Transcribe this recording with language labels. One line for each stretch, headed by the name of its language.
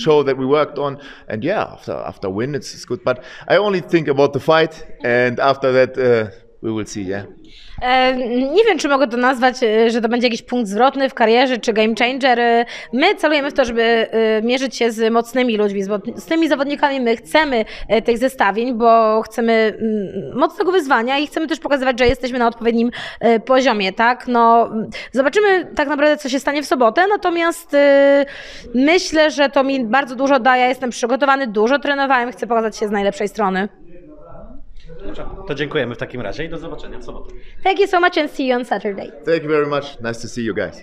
English: Show that we worked on, and yeah, after win, it's good. But I only think about the fight, and after that, we will see, yeah?
Polish: Nie wiem, czy mogę to nazwać, że to będzie jakiś punkt zwrotny w karierze, czy game changer. My celujemy w to, żeby mierzyć się z mocnymi ludźmi, z tymi zawodnikami. My chcemy tych zestawień, bo chcemy mocnego wyzwania i chcemy też pokazywać, że jesteśmy na odpowiednim poziomie, tak? No, zobaczymy tak naprawdę, co się stanie w sobotę, natomiast myślę, że to mi bardzo dużo da. Ja jestem przygotowany, dużo trenowałem, chcę pokazać się z najlepszej strony. To dziękujemy w takim razie i do zobaczenia w sobotę.
English: Thank you so much and see you on Saturday. Thank you very much. Nice to see you guys.